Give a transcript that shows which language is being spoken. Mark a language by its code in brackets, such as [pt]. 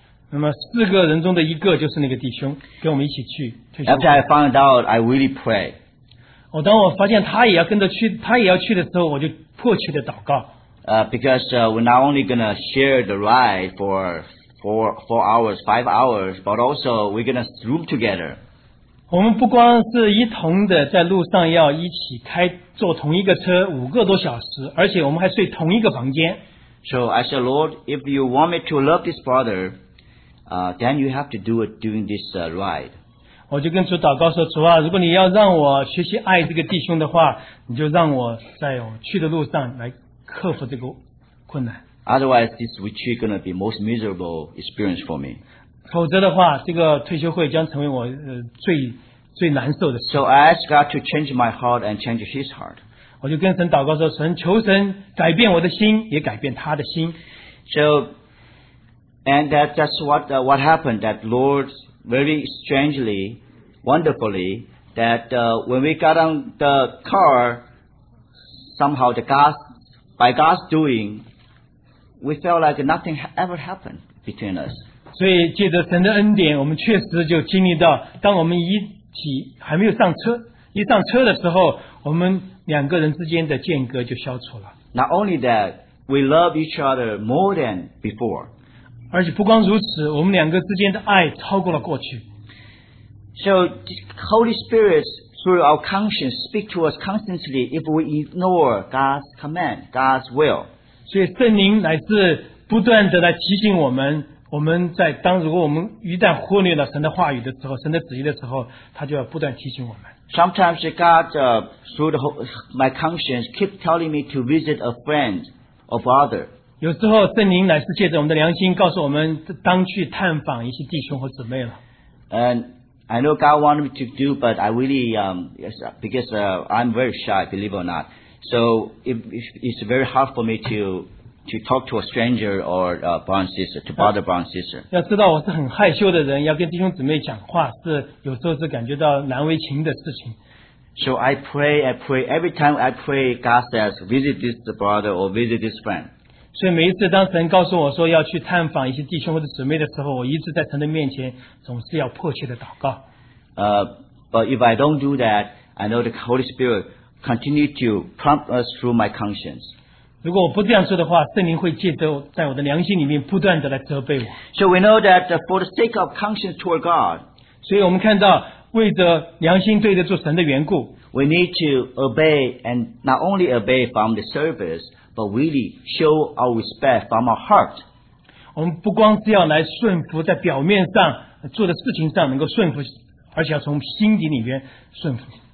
[zh] 那么四个人中的一个就是那个弟兄，跟我们一起去退休会。 [en] After I found out, I really prayed. [zh] 当我发现他也要跟着去，他也要去的时候，我就迫切的祷告。 [en] Because we're not only going to share the ride for four hours, five hours, but also we're going to room together. [zh] 我们不光是一同的在路上要一起开坐同一个车五个多小时，而且我们还睡同一个房间。 [en] So I said, Lord, if you want me to love this brother, then you have to do it during this ride. [zh] 我就跟主祷告说，主啊，如果你要让我学习爱这个弟兄的话，你就让我在我去的路上来克服这个困难。 [en] Otherwise, this retreat is going to be the most miserable experience for me. [zh] 否则的话，这个退休会将成为我最难受的。 [en] So I ask God to change my heart and change His heart. [zh] 我就跟神祷告说，神求神改变我的心，也改变他的心。 [en] So, and that's what happened. That Lord very strangely, wonderfully, that when we got on the car, somehow the God, by God's doing. We felt like nothing ever happened between us. [zh] 所以借着神的恩典，我们确实就经历到，当我们一起还没有上车，一上车的时候，我们两个人之间的间隔就消除了。 [en] Not only that, we love each other more than before. [zh] 而且不光如此，我们两个之间的爱超过了过去。 [en] So Holy Spirit through our conscience speak to us constantly if we ignore God's command, God's will. [zh] 所以圣灵乃是不断的来提醒我们，我们在当如果我们一旦忽略了神的话语的时候，神的旨意的时候，他就要不断提醒我们。 [en] Sometimes God through the whole, my conscience keep telling me to visit a friend or brother. [zh] 有时候圣灵乃是借着我们的良心告诉我们，当去探访一些弟兄和姊妹了。 [en] And I know God wanted me to do, but I really yes, because I'm very shy, believe it or not. So it's very hard for me to talk to a stranger or a brown sister, to bother brown sister. [zh] 要知道我是很害羞的人，要跟弟兄姊妹讲话是有时候是感觉到难为情的事情。 [en] So I pray, every time I pray, God says, visit this brother or visit this friend. [zh] 所以每一次当神告诉我说要去探访一些弟兄或者姊妹的时候，我一直在神的面前总是要迫切的祷告。 [en] But if I don't do that, I know the Holy Spirit,Continue to prompt us through my conscience. [zh] 如果我不这样说的话，圣灵会借着在我的良心里面不断的来责备我。 [en] So we know that for the sake of conscience toward God, [zh] 所以我们看到为着良心对得住神的缘故 [en] ，we need to obey and not only obey from the service, but really show our respect from our heart. [zh] 我们不光是要来顺服，在表面上做的事情上能够顺服，而且要从心底里面顺服。